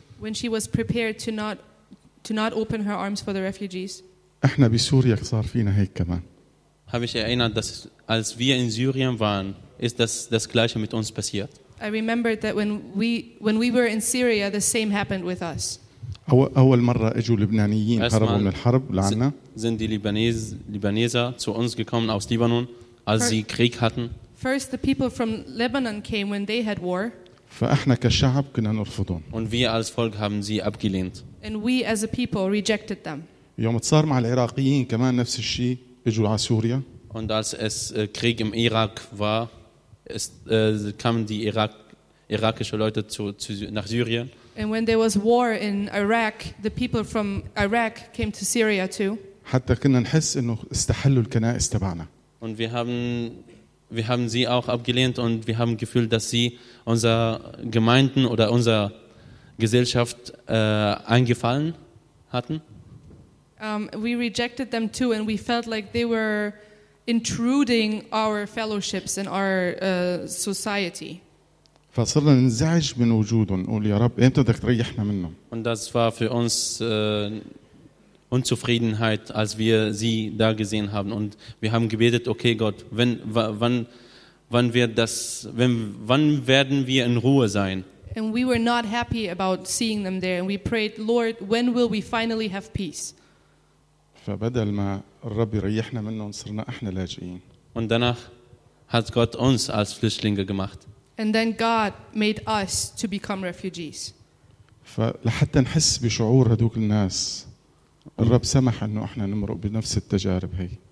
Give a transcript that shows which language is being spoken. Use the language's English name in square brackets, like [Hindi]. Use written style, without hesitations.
[English] When she was prepared to not open her arms for the refugees. [Arabic] احنا بسوريا صار فينا هيك كمان. [German] Habe ich erinnert, dass als wir in Syrien waren, ist das gleiche mit uns passiert. [English] I remembered that when we were in Syria, the same happened with us. [Arabic] أول مرة اجوا اللبنانيين هربوا من الحرب لعنا. [German] Sind die Libaneser zu uns gekommen aus Libanon, als sie Krieg hatten. [English] First, the people from Lebanon came when they had war. [Arabic] فإحنا كشعب كنا نرفضهم. [German] Und wir als Volk haben sie abgelehnt. [English] And we as a people rejected them. [Arabic] يوم صار مع العراقيين كمان نفس الشيء اجوا على سوريا. [German] Und als es Krieg im Irak war. Es kamen die irakische Leute nach Syrien. [English] And when there was war in Iraq, the people from Iraq came to Syria too. [Arabic] حتى كنا نحس انه استحلوا الكنائس تبعنا. [German] Und wir haben sie auch abgelehnt und wir haben gefühlt, dass sie unser Gemeinden oder unser Gesellschaft eingefallen hatten. [English] We rejected them too and we felt like they were intruding our fellowships and our society. [Arabic] فصرنا ننزعج من وجودهم نقول يا رب امتى بدك تريحنا منهم. [German] Und das war für uns Unzufriedenheit, als wir sie da gesehen haben und wir haben gebetet, okay Gott, wann werden wir in Ruhe sein? [English] And we were not happy about seeing them there and we prayed, Lord, when will we finally have peace? [Arabic] فبدل ما الرب يريحنا منهم صرنا احنا لاجئين. [German] Und danach hat Gott uns als Flüchtlinge gemacht. [English] And then God made us to become refugees. [Arabic] فلحتى نحس بشعور هذوك الناس الرب سمح انه احنا نمرق بنفس التجارب هي.